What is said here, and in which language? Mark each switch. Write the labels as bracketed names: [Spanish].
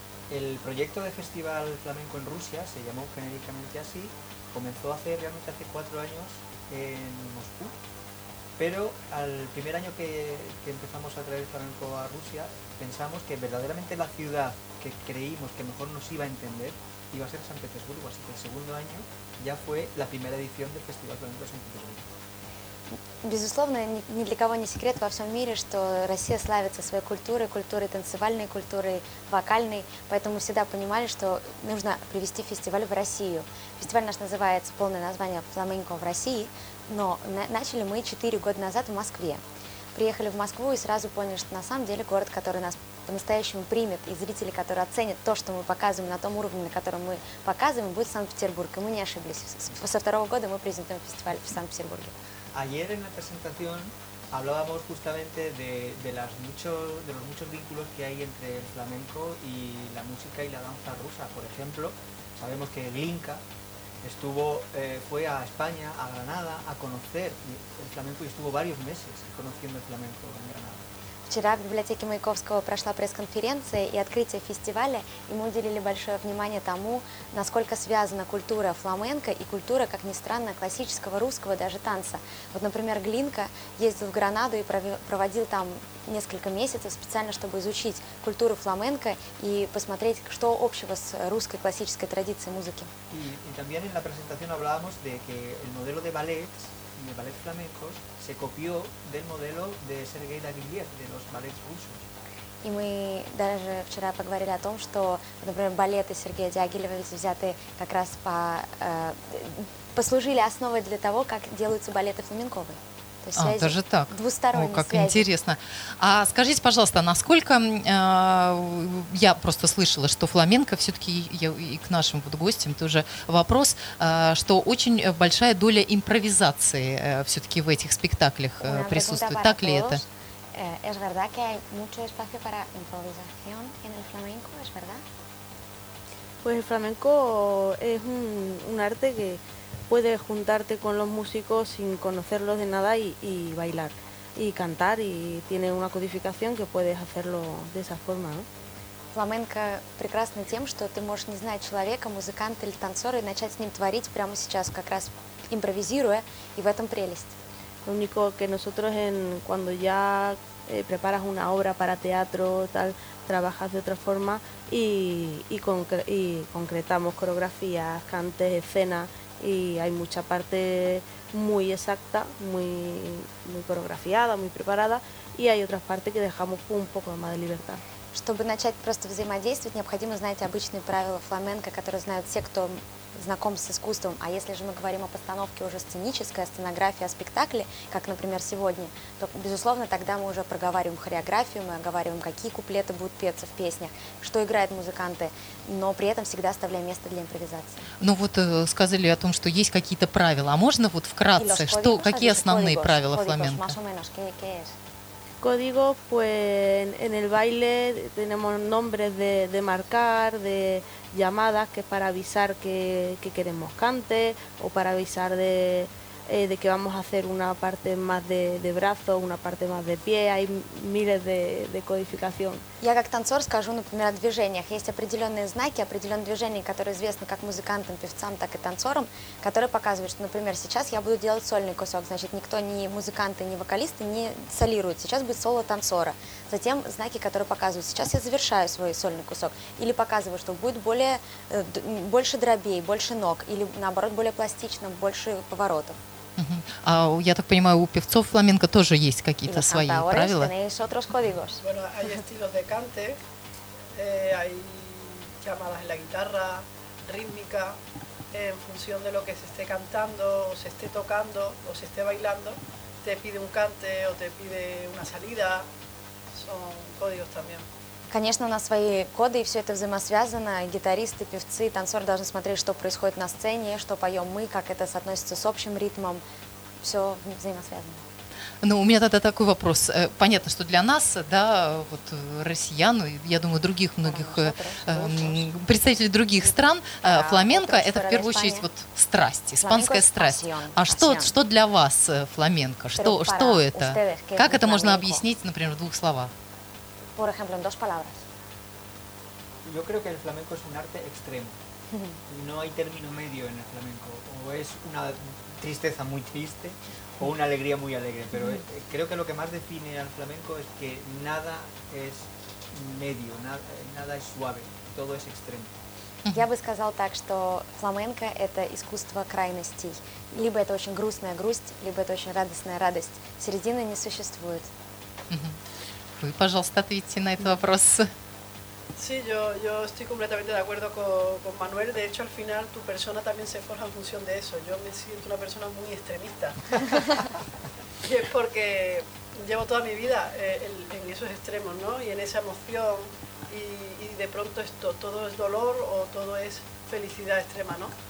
[Spanish] El proyecto de festival flamenco en Rusia, se llamó genéricamente así, comenzó hace 4 años en Moscú. Pero al primer año que empezamos a traer flamenco a Rusia, pensamos que verdaderamente la ciudad que creímos que mejor nos iba a entender iba a ser San Petersburgo. Así que el segundo año ya fue la primera edición del Festival Flamenco de San Petersburgo. [Russian] Безусловно, ни для кого не секрет во всем мире, что Россия славится своей культурой, культурой танцевальной, культурой вокальной, поэтому всегда понимали, что нужно привести фестиваль в Россию. Фестиваль наш называется, полное название, «Фламенко в России», но начали мы 4 года назад в Москве. Приехали в Москву и сразу поняли, что на самом деле город, который нас по-настоящему примет, и зрители, которые оценят то, что мы показываем на том уровне, на котором мы показываем, будет Санкт-Петербург, и мы не ошиблись. Со второго года мы презентуем фестиваль в Санкт-Петербурге. [Spanish] Ayer en la presentación hablábamos justamente de los muchos vínculos que hay entre el flamenco y la música y la danza rusa. Por ejemplo, sabemos que Glinka estuvo, fue a España, a Granada, a conocer el flamenco y estuvo varios meses conociendo el flamenco en Granada. [Russian] Вчера в библиотеке Маяковского прошла пресс-конференция и открытие фестиваля, и мы уделили большое внимание тому, насколько связана культура фламенко и культура, как ни странно, классического русского даже танца. Вот, например, Глинка ездил в Гранаду и проводил там несколько месяцев специально, чтобы изучить культуру фламенко и посмотреть, что общего с русской классической традицией музыки. [Spanish] И también en la presentación hablábamos de que el modelo de ballet y el ballet flamenco se copió del modelo de Sergei Daguilev, de los ballets rusos. [Russian] И мы даже вчера поговорили о том, что, например, балеты Сергея Дягилева взяты как раз по послужили основой для того, как делаются балеты фламенковые. Даже так. Двусторонние связи. О, как интересно. А скажите, пожалуйста, насколько я просто слышала, что фламенко все-таки и к нашим вот гостям тоже вопрос, что очень большая доля импровизации все-таки в этих спектаклях присутствует. Так ли это? [Spanish] Es verdad que hay mucho espacio para improvisación en el flamenco, es verdad? Pues el flamenco es un arte que puedes juntarte con los músicos sin conocerlos de nada y bailar y cantar y tiene una codificación que puedes hacerlo de esa forma, ¿no? [Russian] Фламенко прекрасно тем, что ты можешь не знать человека, музыканта или танцора и начать с ним творить прямо сейчас, как раз импровизируя, и в этом прелесть. [Spanish] Lo único que nosotros en cuando ya preparas una obra para teatro tal trabajas de otra forma y concretamos coreografías, cantes, escenas. Y hay mucha parte muy exacta, muy coreografiada, muy preparada, y hay otras partes que dejamos un poco más de libertad. [Russian] Чтобы начать просто взаимодействовать, необходимо знать обычные правила фламенко, которые знают все, кто знаком с искусством. А если же мы говорим о постановке уже сценической, о сценографии, о спектакле, как, например, сегодня, то, безусловно, тогда мы уже проговариваем хореографию, мы оговариваем, какие куплеты будут петься в песнях, что играют музыканты, но при этом всегда оставляя место для импровизации. Ну вот сказали о том, что есть какие-то правила. А можно вот вкратце, что, какие основные [Spanish] códigos, [Russian] правила фламенко? [Spanish] Más o menos, ¿qué es? Códigos, pues en el baile tenemos nombres de marcar, de llamadas, que es para avisar que queremos cante o para avisar de que vamos a hacer una parte más de brazo, una parte más de pie, hay miles de codificación. [Russian] Я как танцор скажу, например, о движениях. Есть определенные знаки, определенные движения, которые известны как музыкантам, певцам, так и танцорам, которые показывают, что, например, сейчас я буду делать сольный кусок, значит, никто, ни музыканты, ни вокалисты не солируют. Сейчас будет соло танцора. Затем знаки, которые показывают, сейчас я завершаю свой сольный кусок. Или показываю, что будет больше дробей, больше ног, или наоборот, более пластично, больше поворотов. А я так понимаю, у певцов фламенко тоже есть какие-то свои правила? [Spanish] Bueno, hay estilos de cante, hay llamadas en la guitarra, rítmica, en función de lo que se esté cantando, o se esté tocando, o se esté bailando, te pide un cante o te pide una salida, son códigos también. [Russian] Конечно, у нас свои коды, и все это взаимосвязано. Гитаристы, певцы, танцоры должны смотреть, что происходит на сцене, что поем мы, как это соотносится с общим ритмом. Все взаимосвязано. Ну, у меня тогда такой вопрос. Понятно, что для нас, да, вот россиян, я думаю, других многих представителей других стран, фламенко – это в первую очередь вот страсть, испанская страсть. А что для вас фламенко? Что это? Как это можно объяснить, например, в двух словах? [Spanish] Por ejemplo, en dos palabras. Yo creo que el flamenco es un arte extremo. No hay término medio en el flamenco. O es una tristeza muy triste o una alegría muy alegre. Pero creo que lo que más define al flamenco es que nada es medio, nada es suave. Todo es extremo. [Russian] Я бы сказал так, что фламенко – это искусство крайностей. Либо это очень грустная грусть, либо это очень радостная радость. Середины не существует. Вы, пожалуйста, ответьте на этот вопрос. [Spanish] Sí, yo estoy completamente de acuerdo con Manuel. De hecho, al final tu persona también se forja en función de eso. Yo me siento una persona muy extremista. Y es porque llevo toda mi vida en esos extremos, ¿no? Y en esa emoción. Y de pronto esto, todo es dolor o todo es felicidad extrema, ¿no?